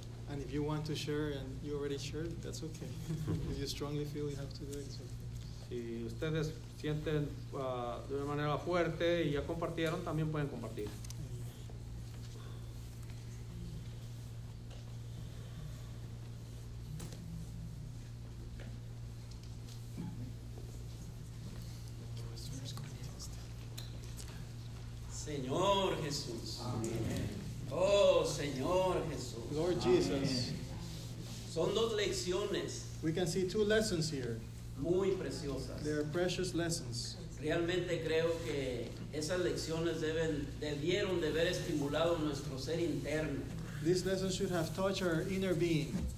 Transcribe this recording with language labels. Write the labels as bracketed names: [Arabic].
[English] And if you want to share and you already shared, that's okay. If you strongly feel you have to do it, it's okay. [Spanish] Si ustedes sienten de una manera fuerte y ya compartieron, también pueden compartir. Señor Jesús. Amén. Oh, Señor Jesús. [English] Lord Jesus. [Spanish] Amén. Son dos lecciones. [English] We can see two lessons here. [Spanish] Muy preciosas. [English] They are precious lessons. [Spanish] Realmente creo que esas lecciones debieron de haber estimulado nuestro ser interno. [English] These lessons should have touched our inner being.